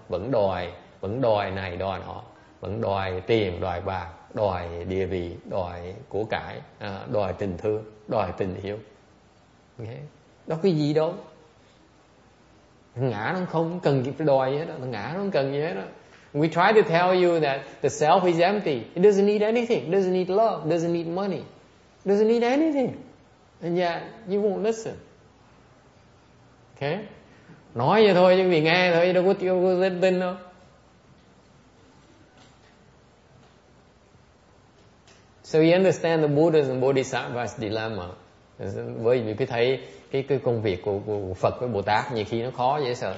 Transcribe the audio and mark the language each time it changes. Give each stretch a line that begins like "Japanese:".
Vietnamese: Vẫn đòi này, đòi nọ. Vẫn đòi tiền, đòi bạc, đòi địa vị, đòi của cải, đòi tình thương, đòi tình yêu. Okay. Đó cái gì đâu. Ngã nó không cần gì phải đòi hết đó. Ngã nó không cần gì hết đó.
English: We try to tell you that the self is empty. It doesn't need anything. It doesn't need love. It doesn't need money. It doesn't need anything. And yet, you won't listen. Okay.
Vietnamese: Nói vậy thôi, nhưng vì nghe thôi, đâu có tin đâu.
English: So you understand the Buddha's and Bodhisattva's dilemma.
Vietnamese: Với vì cứ thấy cái công việc của Phật với Bồ Tát nhiều khi nó khó dễ sợ.